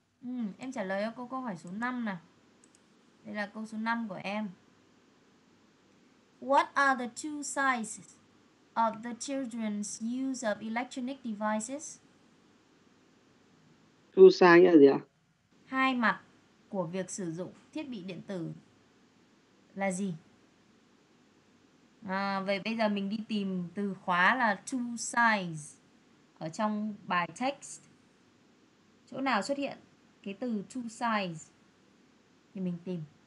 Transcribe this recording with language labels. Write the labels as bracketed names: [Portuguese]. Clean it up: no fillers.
[Vietnamese] Ừ, em trả lời cho cô câu hỏi số 5 nè. Đây là câu số 5 của em. [English] What are the two sizes of the children's use of electronic devices? [Vietnamese] Two size là gì ạ? Hai mặt của việc sử dụng thiết bị điện tử là gì? À, vậy bây giờ mình đi tìm từ khóa là two size. Ở trong bài text, chỗ nào xuất hiện cái từ two size thì mình tìm.